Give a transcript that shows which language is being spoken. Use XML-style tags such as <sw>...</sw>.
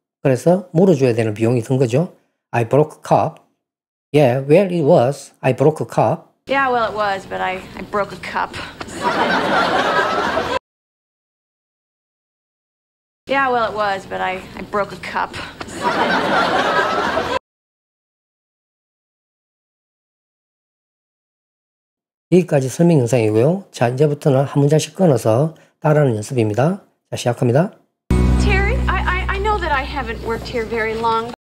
<ko>그래서 물어줘야 되는 비용이 든 거죠.</ko> <en>I broke a cup. Yeah, well, it was. I broke a cup. Yeah, well, it was, but I broke a cup. Yeah, well, it was, but I broke a cup. Yeah, well, it was, but I broke a cup.</en> <ko>여기까지 설명 영상이고요. 자, 이제부터는 한 문장씩 끊어서 따라하는 연습입니다. 자, 시작합니다.</ko> <en>Terry, I know that I haven't worked here very long.</en>